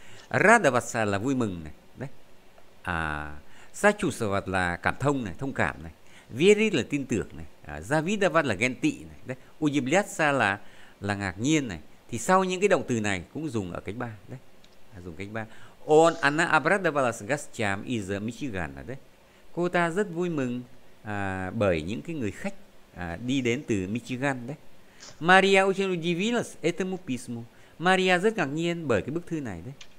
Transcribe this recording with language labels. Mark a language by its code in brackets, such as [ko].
[vi] Радоваться là vui mừng này, đấy. Сочувствовать là cảm thông này, thông cảm này. Верить là tin tưởng này, завидовать là ghen tị này, đấy. Удивляться là ngạc nhiên này. Thì sau những cái động từ này cũng dùng ở cách 3 đấy. Dùng cách 3. [ru] Он, она обрадовалась гостям из Мичигана, đấy. [vi] Cô ta rất vui mừng bởi những cái người khách đi đến từ Michigan, đấy. Мария очень удивилась этому письму. Maria rất ngạc nhiên bởi cái bức thư này đấy.